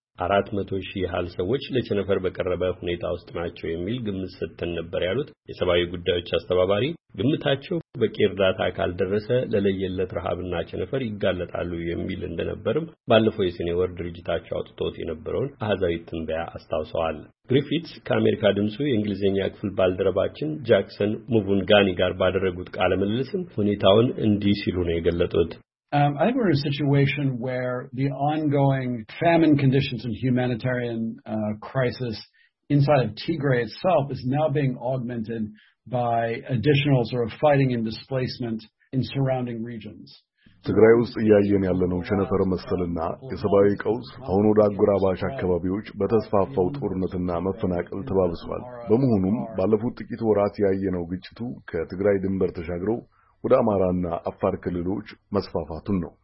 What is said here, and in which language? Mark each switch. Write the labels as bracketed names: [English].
[Amharic] 400,000 ያህል ሰዎች ለቸነፈር በቀረበ ሁኔታ ውስጥ ናቸው የሚል ግምት ሰጥተን ነበር ያሉት የሰብአዊ ጉዳዮች አስተባባሪ ግምታቸው በቂ እርዳታ ካልደረሰ ለለየለት ረሃብና ቸነፈር ይጋለጣሉ የሚል እንደነበርም ባለፈው የሰኔ ወር ድርጅታቸው አውጥቶት የነበረውን አሃዛዊ ትንበያ አስታውሰዋል። ግሪፊትስ ከአሜሪካ ድምጽ የእንግሊዝኛ ክፍል ባልደረባችን ጃክሰን ሙቡንጋኒ ጋር ባደረጉት ቃለ ምልልስም ሁኔታውን እንዲህ ሲሉ ነው የገለጡት። [English] I think we're in a situation where the ongoing famine conditions and humanitarian crisis inside of Tigray itself is now being augmented by additional sort of fighting and displacement in surrounding regions. [Amharic] ትግራይ ውስጥ ያየን ያለነው ቸነፈር መሰልና የሰብአዊ ቀውስ አሁን ወደ አጎራባች አካባቢዎች በተስፋፋው ጦርነትና መፈናቀል ተባብሷል። በመሆኑም ባለፉት ጥቂት ወራት ያየነው ግጭቱ ከትግራይ ድንበር ተሻግሮ ወደ አማራና አፋር ክልሎች መስፋፋቱን ነው።